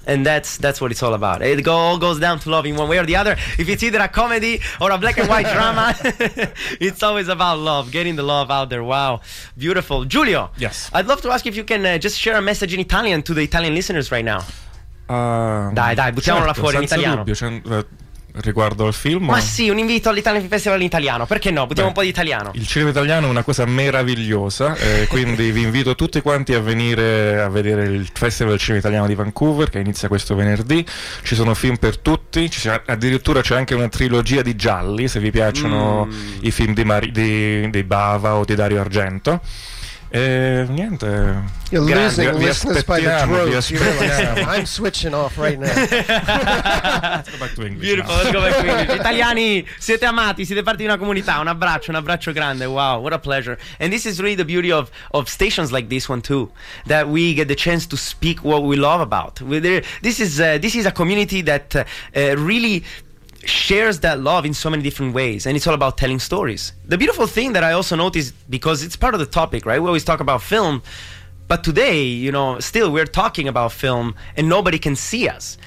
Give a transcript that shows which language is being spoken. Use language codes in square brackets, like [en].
[en] And that's what it's all about. It all goes down to love in one way or the other. If it's either a comedy or a black and white drama, it's always about love, getting the love out there. Wow. Beautiful. Giulio, yes. I'd love to ask if you can just share a message in Italian to the Italian listeners right now. [it] Dai, buttiamola fuori in italiano. Riguardo al film? Ma sì, un invito all'Italian Film Festival in italiano, perché no? Buttiamo un po' di italiano. Il cinema italiano è una cosa meravigliosa, quindi vi invito tutti quanti a venire a vedere il Festival del Cinema Italiano di Vancouver, che inizia questo venerdì. Ci sono film per tutti, addirittura c'è anche una trilogia di gialli, se vi piacciono i film di Bava o di Dario Argento. Niente. [en] You're losing listeners by the throat. I'm switching off right now. Let's go back to English. Beautiful. Let's go back to English. [it] Italiani, siete amati, siete parte di una comunità. Un abbraccio grande. [en] Wow, what a pleasure. And this is really the beauty of stations like this one too, that we get the chance to speak what we love about. This is a community that really shares that love in so many different ways, and it's all about telling stories. The beautiful thing that I also noticed, because it's part of the topic, right? We always talk about film, but today, you know, still we're talking about film and nobody can see us.